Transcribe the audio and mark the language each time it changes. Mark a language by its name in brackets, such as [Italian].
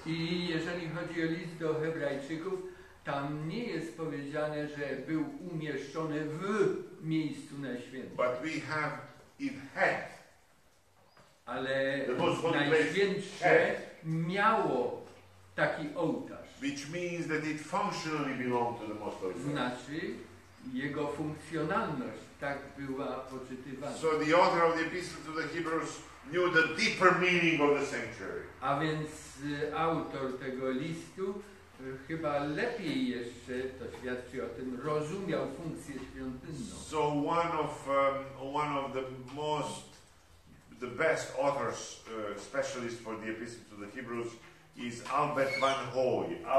[Polish] I jeżeli chodzi o list do Hebrajczyków, tam nie jest powiedziane, że był umieszczony w miejscu najświętszym. [English] But we have it had. [Polish] Ale najświętsze miało taki ołtarz. [English] Which means that it functionally belonged to the most holy place. [Polish] Znaczy, jego funkcjonalność tak była poczytywana. [English] So the author of the Epistle to the Hebrews knew the deeper meaning of the sanctuary. [Polish] A więc autor tego listu chyba lepiej jeszcze to świadczy o tym, rozumiał funkcję świątynną. [English] So one of the most, the best authors, specialist for the Epistle to the Hebrews is Albert Van Hooy.